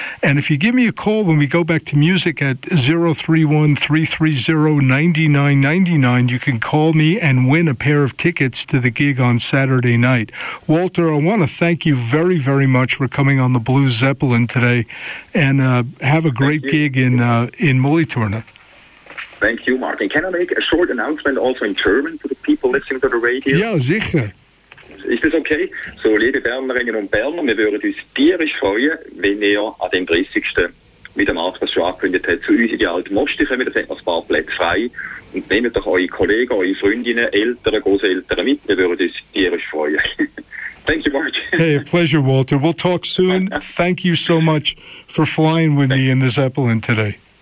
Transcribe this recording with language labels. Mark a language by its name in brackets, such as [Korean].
[English] And if you give me a call when we go back to music at 031-330-9999, you can call me and win a pair of tickets to the gig on Saturday night. Walter, I want to thank you very, very much for coming on the Blue Zeppelin today, and have a great gig in Molitorna. Thank you, Mark. And can I make a short announcement also in German to the people listening to the radio? [German] Ja, sicher. Ist das okay? So, liebe Bernerinnen und Berner, wir würden uns tierisch freuen, wenn ihr an dem 30. mit dem Arzt, das schon angekündigt hat, zu uns in die alte Mosti kommen. Da sind noch ein paar Plätze frei. Und nehmt doch eure Kollegen, eure Freundinnen, Eltern, Großeltern mit. Wir würden uns tierisch freuen. [English] Thank you, Mark. Hey, a pleasure, Walter. We'll talk soon. Thank you so much for flying with me in the Zeppelin today.